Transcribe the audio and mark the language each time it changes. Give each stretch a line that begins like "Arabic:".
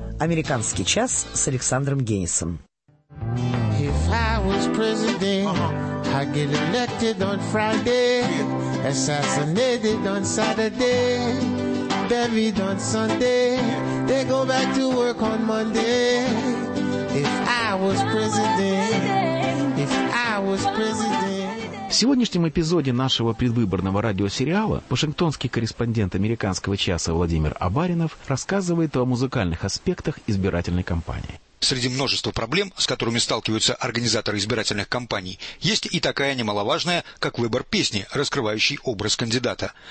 Russian: Американский час с Александром Генисом.
English: If I was president, I'd get elected on Friday, assassinated on Saturday, buried on Sunday, they go back to work on Monday. If I was president, if I was president.
Russian: В сегодняшнем эпизоде нашего предвыборного радиосериала вашингтонский корреспондент американского часа Владимир Абаринов рассказывает о музыкальных аспектах избирательной кампании. Среди множества проблем, с которыми сталкиваются организаторы избирательных кампаний, есть и такая немаловажная, как выбор песни, раскрывающей образ кандидата.